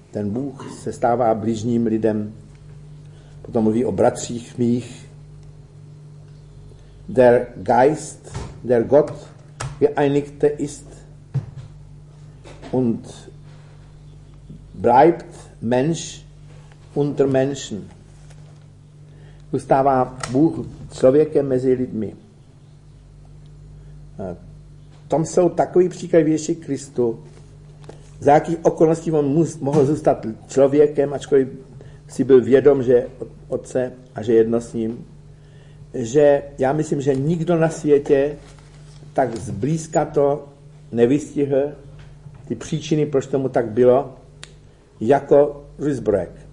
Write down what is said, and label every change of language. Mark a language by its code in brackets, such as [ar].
[cs] Ten Bůh se stává blížním lidem. Potom mluví o bratřích mých. [de] Der Geist, der Gott geeinigte ist und bleibt Mensch unter Menschen. [cs] Zůstává Bůh člověkem mezi lidmi. Tom jsou takový příklad Ježíši Kristu, za jakých okolností on mohl zůstat člověkem, ačkoliv si byl vědom, že otce a že jedno s ním, že já myslím, že nikdo na světě tak zblízka to nevystihl, ty příčiny, proč tomu tak bylo, jako Riesbroek.